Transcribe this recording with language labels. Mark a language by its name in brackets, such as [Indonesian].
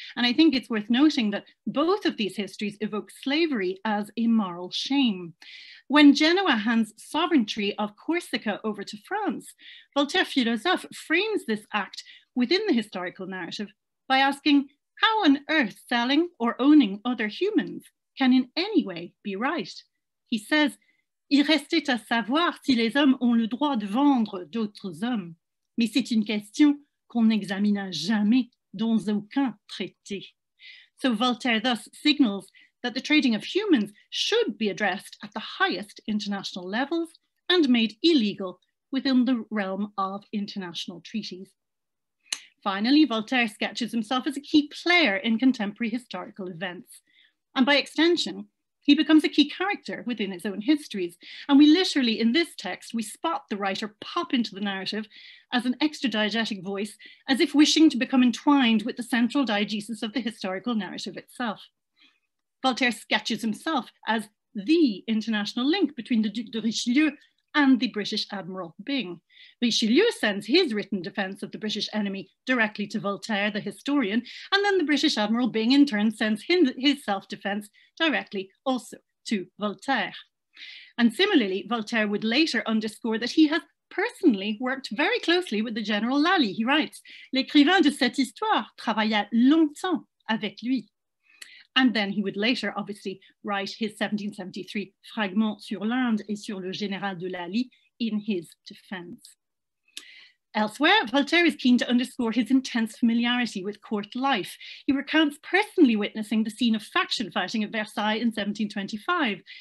[English] And I think it's worth noting that both of these histories evoke slavery as a moral shame. When Genoa hands sovereignty of Corsica over to France, Voltaire Philosophe frames this act within the historical narrative by asking, how on earth selling or owning other humans can in any way be right? [French] He says, il restait à savoir si les hommes ont le droit de vendre d'autres hommes, mais c'est une question qu'on n'examina jamais dans aucun traité. [English] So Voltaire thus signals that the trading of humans should be addressed at the highest international levels and made illegal within the realm of international treaties. Finally, Voltaire sketches himself as a key player in contemporary historical events. And by extension, he becomes a key character within his own histories. And we literally, in this text, we spot the writer pop into the narrative as an extra-diegetic voice, as if wishing to become entwined with the central diegesis of the historical narrative itself. Voltaire sketches himself as the international link between the Duc de Richelieu and the British Admiral Byng. Richelieu sends his written defense of the British enemy directly to Voltaire, the historian, and then the British Admiral Byng in turn sends his self-defense directly also to Voltaire. And similarly, Voltaire would later underscore that he has personally worked very closely with the General Lally. [French] He writes, l'écrivain de cette histoire travailla longtemps avec lui. [English] And then he would later obviously write his 1773 Fragments sur l'Inde et sur le Général de Lally in his defense. Elsewhere, Voltaire is keen to underscore his intense familiarity with court life. He recounts personally witnessing the scene of faction fighting at Versailles in 1725.